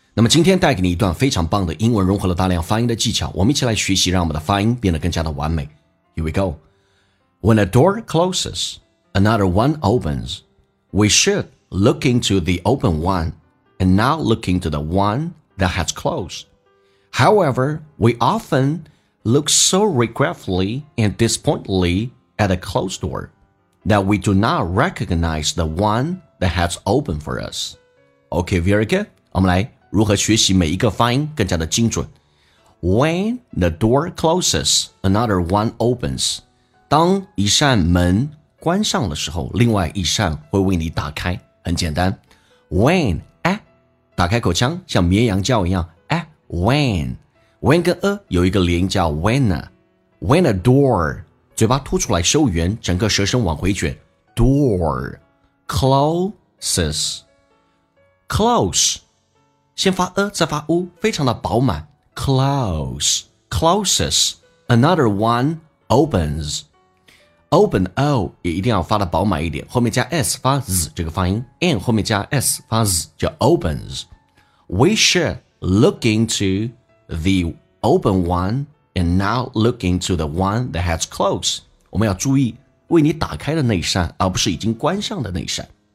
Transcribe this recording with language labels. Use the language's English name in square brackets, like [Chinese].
[Chinese] 那么今天带给你一段非常棒的英文融合了大量发音的技巧，我们一起来学习，让我们的发音变得更加的完美。 [English] Here we go. When a door closes, another one opens. We should look into the open one and not look into the one that has closed. However, we often look so regretfully and disappointedly at a closed door that we do not recognize the oneThat has opened for us. Okay, very good. [Chinese] 我们来如何学习每一个发音更加的精准。 [English] When the door closes, another one opens. [Chinese] 当一扇门关上的时候，另外一扇会为你打开。很简单。When, 打开口腔，像绵羊叫一样。When. When 跟有一个连音叫 when. [English] When a door, [Chinese] 嘴巴凸出来收圆，整个舌身往回卷。Door. [English] Closes. Close. [Chinese] 先发再发u，非常的饱满。 [English] Close. Closes. Another one opens. [Chinese] Open, O, 也一定要发的饱满一点。后面加 S 发 Z 这个发音。 And 后面加 S 发 Z 就 opens. [English] We should look into the open one and not look into the one that has closed. [Chinese] 我们要注意为你打开的那一扇，而不是已经关上的那一扇。